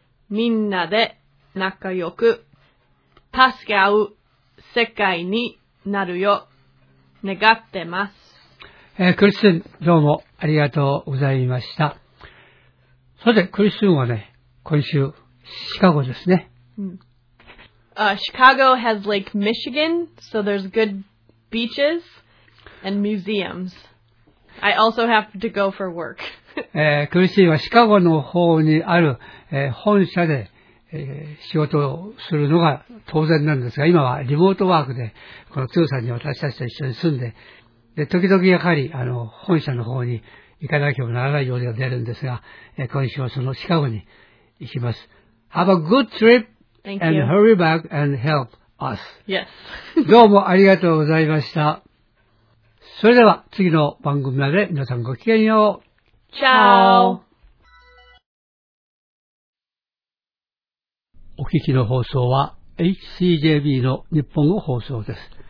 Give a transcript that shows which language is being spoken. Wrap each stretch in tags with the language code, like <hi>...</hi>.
<ja>みんなで仲良く助け合う世界になるよう願ってます。クリスチン、どうもありがとうございました。さて、クリスチンはね、今週シカゴですね。</ja> <en>Chicago has Lake Michigan, so there's good beaches and museums. I also have to go for work.</en> <ja>クリスチンはシカゴの方にある、本社で、仕事をするのが当然なんですが、今はリモートワークで、このツーさんに私たちと一緒に住んで、で、時々やはり、本社の方に行かなければならないようでは出るんですが、今週はそのシカゴに行きます。</ja> <en>Have a good trip! Thank you. And hurry back and help us. Yes.</en> <ja>どうもありがとうございました。それでは次の番組まで皆さんごきげんよう。チャオ。お聞きの放送は HCJB の日本語放送です。</ja>